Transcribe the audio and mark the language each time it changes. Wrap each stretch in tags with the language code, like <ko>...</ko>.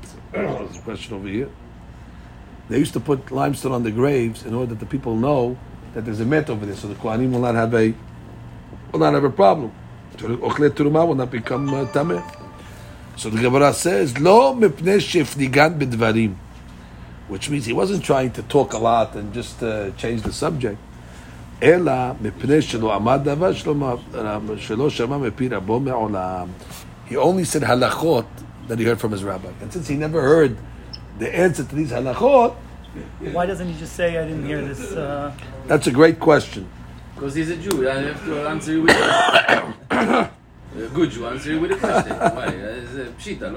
<en>There's a question over here. They used to put limestone on the graves in order that the people know that there's a met over there, so the Kohanim will not have a problem. Ochle Terumah will not become Tameh. So the Gemara says,</en> <he>Lo mipnei shefnigan bedvarim,</he> <en>which means he wasn't trying to talk a lot and just change the subject.</en> <he>אלא מפני שלא עמד דבר שלא שמע מפי רבו מעולם.</he> <en>He only said halachot that he heard from his rabbi. And since he never heard the answer to these halachot, why doesn't he just say, I didn't hear this? That's a great question. Because he's a Jew. I have to answer you with a question. A good Jew, answer you with a question.</en>